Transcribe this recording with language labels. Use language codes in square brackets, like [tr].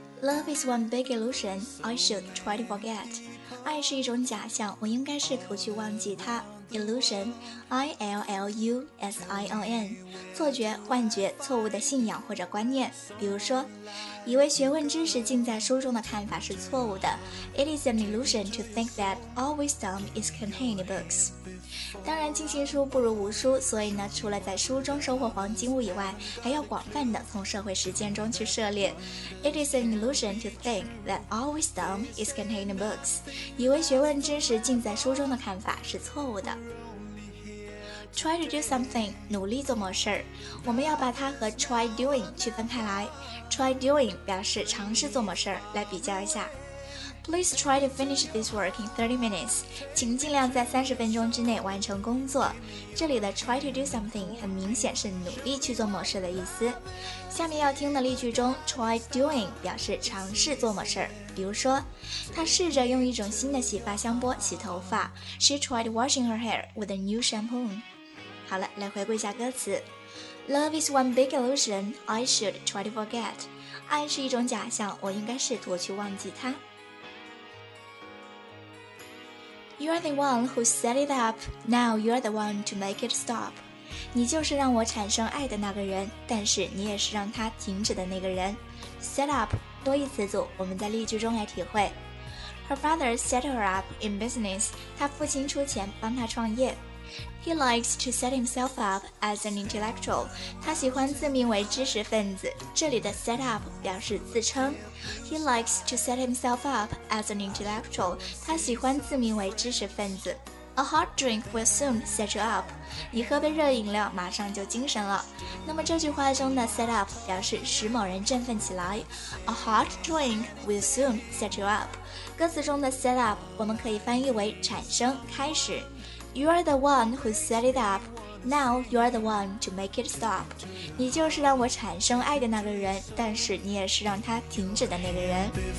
[en] Love is one big illusion I should try to forget [zh] 爱是一种假象，我应该试图去忘记它。 Illusion, I-L-L-U-S-I-O-N, 错觉、幻觉、错误的信仰或者观念。比如说，以为学问知识尽在书中的看法是错误的。 [en] It is an illusion to think that all wisdom is contained in books. [zh] 当然，尽心书不如无书，所以呢，除了在书中收获黄金物以外，还要广泛的从社会实践中去涉猎。 [en] It is an illusion to think that all wisdom is contained in books. [zh] 以为学问知识尽在书中的看法是错误的。 [en] Try to do something, [zh] 努力做某事。我们要把它和 try doing 去分开来。 Try doing 表示尝试做某事，来比较一下。 [en] Please try to finish this work in 30 minutes. [zh] 请尽量在30分钟之内完成工作。这里的 try to do something 很明显是努力去做某事的意思。下面要听的例句中 try doing 表示尝试做某事。比如说，她试着用一种新的洗发香波洗头发。 [en] She tried washing her hair with a new shampoo. [zh] 好了，来回顾一下歌词。 [en] Love is one big illusion I should try to forget. [zh] 爱是一种假象，我应该试图去忘记它。 [en] You are the one who set it up, now you are the one to make it stop. [zh] 你就是让我产生爱的那个人，但是你也是让它停止的那个人。 Set up, 多义词组，我们在例句中来体会。 [en] Her father set her up in business, [zh] 他父亲出钱帮他创业。 [en] He likes to set himself up as an intellectual, [zh] 他喜欢自命为知识分子，这里的 set up 表示自称。 [en] He likes to set himself up as an intellectual, [zh] 他喜欢自命为知识分子。 [en] A hot drink will soon set you up, [zh] 你喝杯热饮料马上就精神了。那么这句话中的 set up 表示使某人振奋起来。 [en] A hot drink will soon set you up, [zh] 歌词中的 set up 我们可以翻译为产生、开始。 [en] You are the one who set it up. Now you are the one to make it stop. [zh] 你就是让我产生爱的那个人，但是你也是让它停止的那个人。